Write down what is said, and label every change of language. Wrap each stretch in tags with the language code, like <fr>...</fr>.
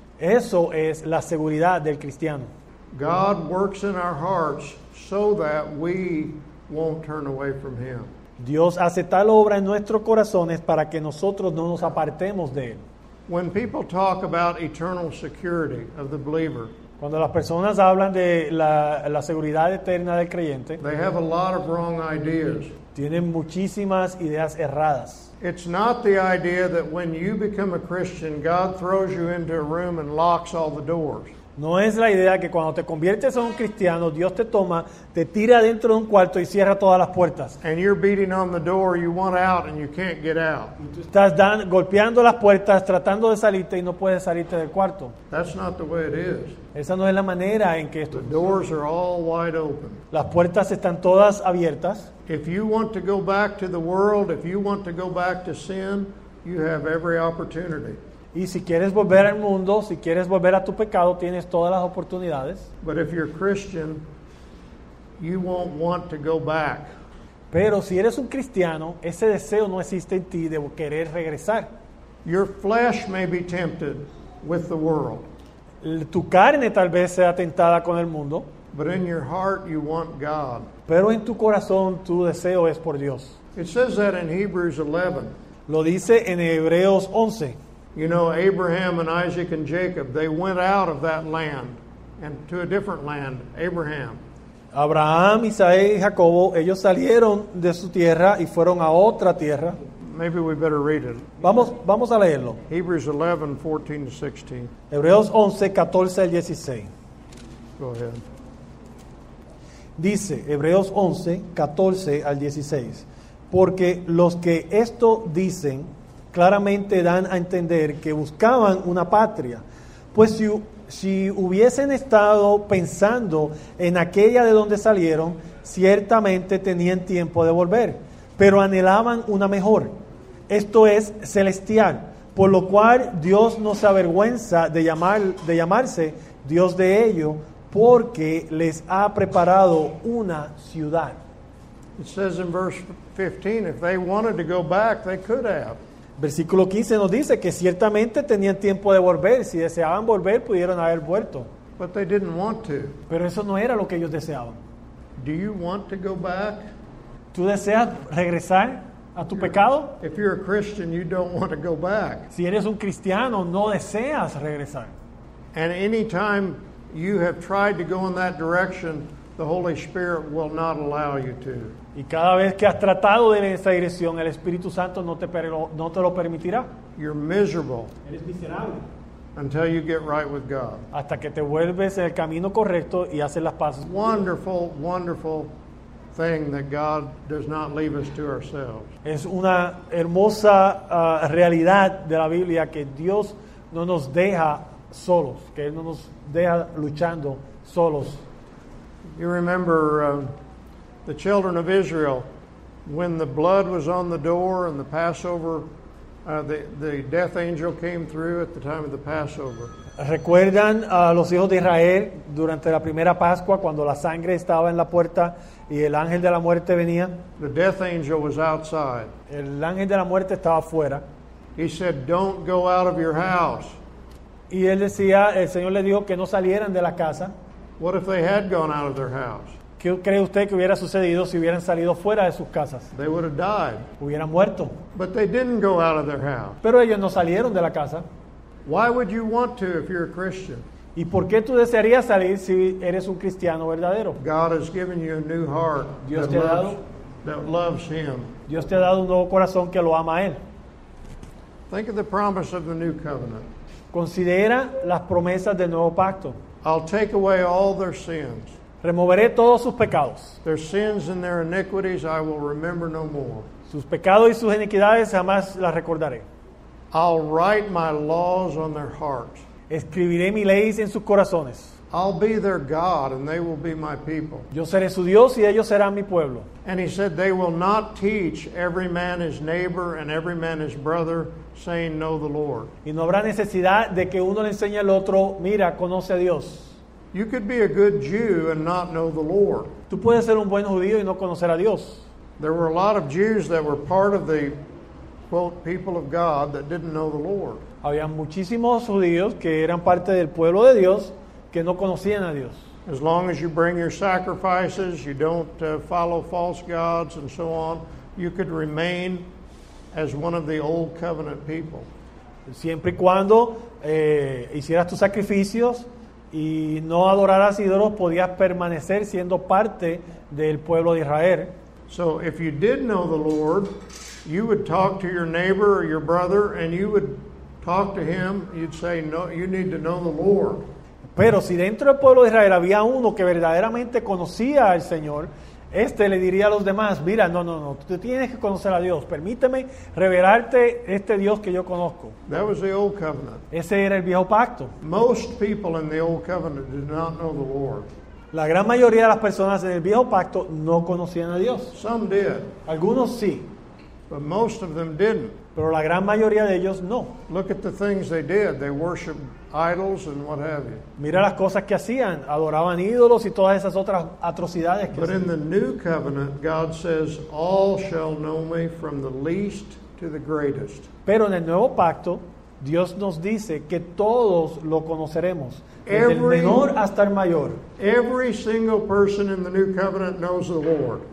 <es>Eso es la seguridad del cristiano.</es> <en>God works in our hearts so that we won't turn away from him.</en> <es>Dios hace tal obra en nuestros corazones para que nosotros no nos apartemos de él.</es> <en>When people talk about eternal security of the believer,</en> <es>cuando las personas hablan de la seguridad eterna del creyente,</es> <en>they have a lot of wrong ideas.</en> <es>Tienen muchísimas ideas erradas.</es> <en>It's not the idea that when you become a Christian, God throws you into a room and locks all the doors.</en> <es>No es la idea que cuando te conviertes en un cristiano, Dios te toma, te tira dentro de un cuarto y cierra todas las puertas.</es> <en>And you're beating on the door, you want out and you can't get out.</en> <es>Estás golpeando las puertas, tratando de salirte y no puedes salirte del cuarto.</es> <en>That's not the way it is.</en> <es>Esa no es la manera en que esto.</es> <en>The doors are all wide open.</en> <es>Las puertas están todas abiertas.</es> <en>If you want to go back to the world, if you want to go back to sin, you have every opportunity.</en> <es>Y si quieres volver al mundo, si quieres volver a tu pecado, tienes todas las oportunidades.</es> <en>But if you're Christian, you won't want to go back.</en> <es>Pero si eres un cristiano, ese deseo no existe en ti de querer regresar.</es> <en>Your flesh may be tempted with the world.</en> <es>Tu carne tal vez sea tentada con el mundo.</es> <en>But in your heart, you want God.</en> <es>Pero en tu corazón, tu deseo es por Dios.</es> <en>It says that in Hebrews 11.</en> <es>Lo dice en Hebreos 11.</es> <en>You know, Abraham and Isaac and Jacob, they went out of that land and to a different land, Abraham.</en> <es>Abraham, Isaac, y Jacobo, ellos salieron de su tierra y fueron a otra tierra.</es> <en>Maybe we better read it.</en> <es>Vamos a leerlo.</es> <en>Hebrews 11, 14 to 16.</en> <es>Hebreos 11, 14 al 16.</es> <en>Go ahead.</en> <es>Dice, Hebreos 11, 14 al 16. Porque los que esto dicen claramente dan a entender que buscaban una patria. Pues si hubiesen estado pensando en aquella de donde salieron, ciertamente tenían tiempo de volver, pero anhelaban una mejor, esto es, celestial, por lo cual Dios no se avergüenza de llamarse Dios de ello, porque les ha preparado una ciudad.</es> <en>It says in verse 15, if they wanted to go back, they could have.</en> <es>Versículo 15 nos dice que ciertamente tenían tiempo de volver. Si deseaban volver, pudieron haber vuelto.</es> <en>But they didn't want to.</en> <es>Pero eso no era lo que ellos deseaban.</es> <en>Do you want to go back?</en> <es>¿Tú deseas regresar a tu pecado?</es> <en>If you're a Christian, you don't want to go back.</en> <es>Si eres un cristiano, no deseas regresar.</es> <en>And anytime you have tried to go in that direction, the Holy Spirit will not allow you to.</en> <es>Y cada vez que has tratado de ir en esa dirección, el Espíritu Santo no te lo permitirá.</es> <en>You're miserable.</en> <es>Eres miserable.</es> <en>Until you get right with God.</en> <es>Hasta que te vuelves en el camino correcto y haces las paces.</es> <en>Wonderful, wonderful thing that God does not leave us to ourselves.</en> <es>Es una hermosa realidad de la Biblia que Dios no nos deja solos, que Él no nos deja luchando solos.</es> <en>You remember the children of Israel, when the blood was on the door and the Passover, the death angel came through at the time of the Passover.</en> <es>¿Recuerdan a los hijos de Israel durante la primera Pascua cuando la sangre estaba en la puerta y el ángel de la muerte venía?</es> <en>The death angel was outside.</en> <es>El ángel de la muerte estaba fuera.</es> <en>He said, "Don't go out of your house."</en> <es>Y él decía, el Señor le dijo que no salieran de la casa.</es> <en>What if they had gone out of their house?</en> <es>¿Qué cree usted que hubiera sucedido si hubieran salido fuera de sus casas?</es> <en>They would have died.</en> <es>Hubieran muerto.</es> <en>But they didn't go out of their house.</en> <es>Pero ellos no salieron de la casa.</es> <en>Why would you want to if you're a Christian?</en> <es>¿Y por qué tú desearías salir si eres un cristiano verdadero?</es> <en>God has given you a new heart that loves him.</en> <es>Dios te ha dado un nuevo corazón que lo ama a él.</es> <en>Think of the promise of the new covenant.</en> <es>Considera las promesas del nuevo pacto.</es> <en>I'll take away all their sins.</en> <es>Removeré todos sus pecados.</es> <en>Their sins and their iniquities I will remember no more.</en> <es>Sus pecados y sus iniquidades jamás las recordaré.</es> <en>I'll write my laws on their hearts.</en> <es>Escribiré mis leyes en sus corazones.</es> <en>I'll be their God and they will be my people.</en> <es>Yo seré su Dios y ellos serán mi pueblo.</es> <en>And he said they will not teach every man his neighbor and every man his brother saying know the Lord.</en> <es>Y no habrá necesidad de que uno le enseñe al otro, mira, conoce a Dios.</es> <en>You could be a good Jew and not know the Lord.</en> <es>Tú puedes ser un buen judío y no conocer a Dios.</es> <en>There were a lot of Jews that were part of the quote people of God that didn't know the Lord.</en> <es>Había muchísimos judíos que eran parte del pueblo de Dios que no conocían a Dios.</es> <en>As long as you bring your sacrifices, you don't follow false gods and so on, you could remain as one of the old covenant people.</en> <es>Siempre y cuando hicieras tus sacrificios y no adoraras ídolos, podías permanecer siendo parte del pueblo de Israel.</es> <en>So if you did know the Lord, you would talk to your neighbor or your brother and you would talk to him, you'd say, "No, you need to know the Lord."</en> <es>Pero si dentro del pueblo de Israel había uno que verdaderamente conocía al Señor, este le diría a los demás, mira, no, no, no, tú tienes que conocer a Dios. Permíteme revelarte este Dios que yo conozco.</es> <en>That was the old covenant.</en> <es>Ese era el viejo pacto.</es> <en>Most people in the old covenant did not know the Lord.</en> <es>La gran mayoría de las personas en el viejo pacto no conocían a Dios.</es> <en>Some did.</en> <es>Algunos sí.</es> <en>But most of them didn't.</en> <es>Pero la gran mayoría de ellos no.</es> <en>Look at the things they did. They worshiped idols and what have you.</en> <es>Mira las cosas que hacían. Adoraban ídolos y todas esas otras atrocidades que hacían.</es> <en>But in the new covenant, God says, all shall know me from the least to the greatest.</en> <es>Pero en el nuevo pacto, Dios nos dice que todos lo conoceremos.</es> <en>Every,</en> <es>desde el menor hasta el mayor.</es> <en>Every single person in the new covenant knows the Lord.</en>